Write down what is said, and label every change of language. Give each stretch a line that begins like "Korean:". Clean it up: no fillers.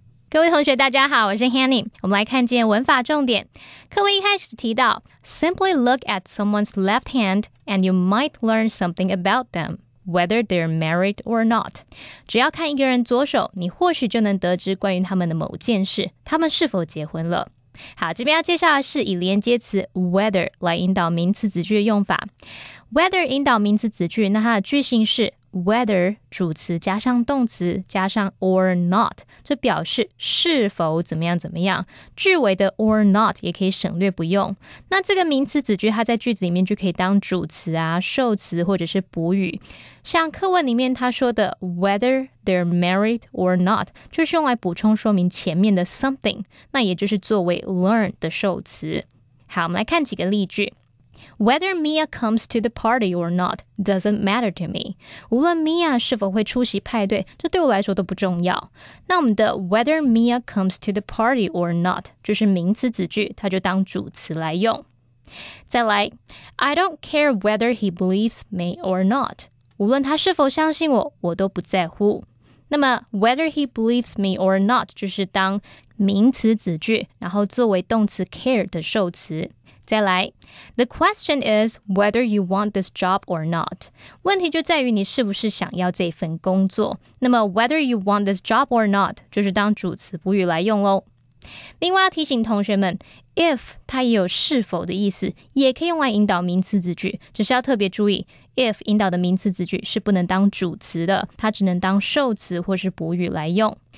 Chinese: 各位同学大家好，我是 Hanny。我们来看见文法重点。课文一开始提到
English: Simply look at someone's left hand and you might learn something about them, whether they're married or not.
Chinese: 只要看一个人左手，你或许就能得知关于他们的某件事，他们是否结婚了。好，这边要介绍的是以连接词 whether 来引导名词子句的用法。 Whether 引导名词子句，那它的句型是Whether 主词加上动词加上 or not， 这表示是否怎么样怎么样。句尾的 or not 也可以省略不用。那这个名词子句它在句子里面就可以当主词啊、受词或者是补语。像课文里面它说的
English: whether they're married or not，
Chinese: 就是用来补充说明前面的 something， 那也就是作为 learn 的受词。好，我们来看几个例句。
English: Whether Mia comes to the party or not doesn't matter to me.
Chinese: 无论 Mia 是否会出席派对，这对我来说都不重要。那我们的
English: Whether Mia comes to the party or not
Chinese: 就是名词子句，它就当主词来用。再来
English: ，I don't care whether he believes me or not.
Chinese: 无论他是否相信我，我都不在乎。那么
English: Whether he believes me or not
Chinese: 就是当名词子句，然后作为动词 care 的受词。再来
English: ，The question is whether you want this job or not.
Chinese: 问题就在于你是不是想要这份工作。那么 ，
English: whether you want this job or not
Chinese: 就是当主词补语来用喽。另外要提醒同学们 ，if 它也有是否的意思，也可以用来引导名词子句，只是要特别注意 ，if 引导的名词子句是不能当主词的，它只能当受词或是补语来用。